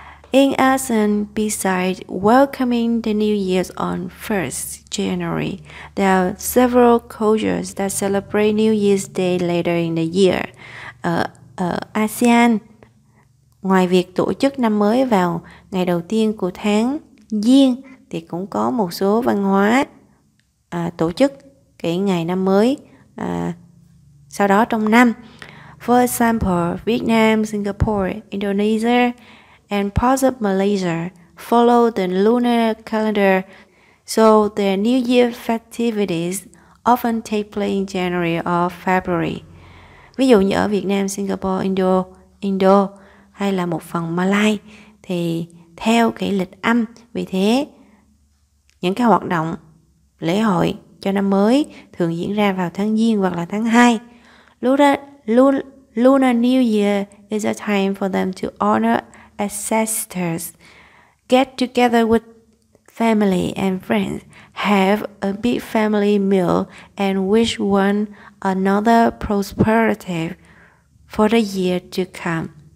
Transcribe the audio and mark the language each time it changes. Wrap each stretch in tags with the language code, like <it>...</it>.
<en>In ASEAN, besides welcoming the New Year on 1st January, there are several cultures that celebrate New Year's Day later in the year.</en> <vi>Ở ASEAN, ngoài việc tổ chức năm mới vào ngày đầu tiên của tháng Giêng, thì cũng có một số văn hóa tổ chức cái ngày năm mới sau đó trong năm.</vi> <en>For example, Vietnam, Singapore, Indonesia, and parts of Malaysia follow the lunar calendar, so their New Year festivities often take place in January or February.</en> <vi>Ví dụ như ở Việt Nam, Singapore, Indo, hay là một phần Malay, thì theo cái lịch âm, vì thế những cái hoạt động lễ hội cho năm mới thường diễn ra vào tháng Giêng hoặc là tháng 2.</vi> <en>Lunar New Year is a time for them to honor ancestors, get together with family and friends, have a big family meal and wish one another prosperity for the year to come.</en>